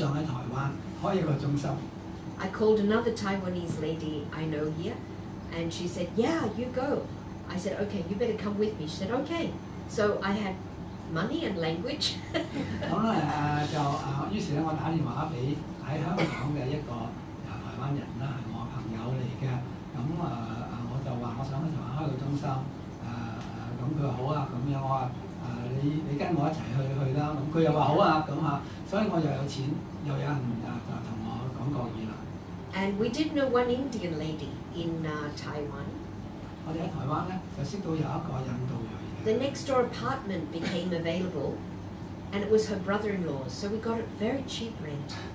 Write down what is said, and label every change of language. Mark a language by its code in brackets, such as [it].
[yue] 咁咧，跟住咧我就收到電話咧，就話啦，喺香港嘅中心就係話，有人捐錢咧，好想喺台灣開一個中心。 [en] I called another Taiwanese lady I know here, and she said, "Yeah, you go." I said, "Okay, you better come with me." She said, "Okay." So I had money and language. [yue] 咁咧就於是咧，我打電話俾喺香港嘅一個台灣人啦，係我朋友嚟嘅。咁我就話我想去台灣開個中心，咁佢好啊，咁樣我話你跟我一齊去啦。咁佢又話好啊，咁啊，所以我又有錢，又有人同我講國語啦。 [en] And we did know one Indian lady in Taiwan. [yue] 我哋喺台灣咧，就識到有一個印度裔嘅。 [en] The next door apartment became available, and it was her brother-in-law, so we got it very cheap rent.